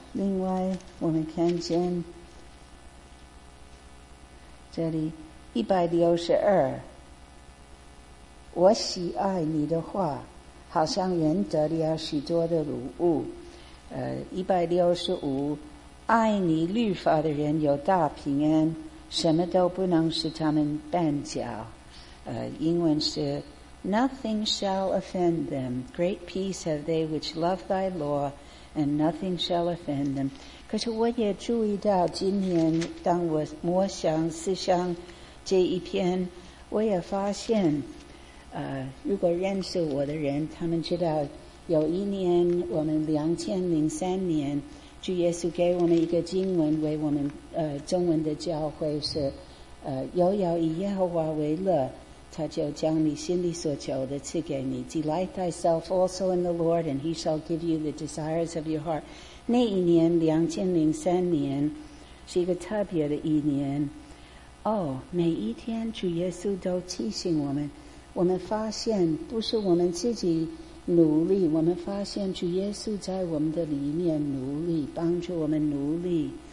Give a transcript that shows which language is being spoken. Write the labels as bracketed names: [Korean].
[Chinese] 另外我们看见这里162，我喜爱你的话，好像人得了许多的乳物。 165，爱你律法的人有大平安，什么都不能使他们绊脚。英文是 [English] Nothing shall offend them. Great peace have they which love thy law, and nothing shall offend them. [Chinese] 可是我也注意到，今年当我默想思想这一篇，我也发现，如果认识我的人，他们知道有一年，我们2003年，主耶稣给我们一个经文，为我们中文的教会是，又要以耶和华为乐，他就将你心里所求的赐给你。 [English] Delight thyself also in the Lord, and He shall give you the desires of your heart. [Chinese] 那一年，2003年，是一个特别的一年。哦，每一天主耶稣都提醒我们，我们发现不是我们自己努力，我们发现主耶稣在我们的里面努力，帮助我们努力。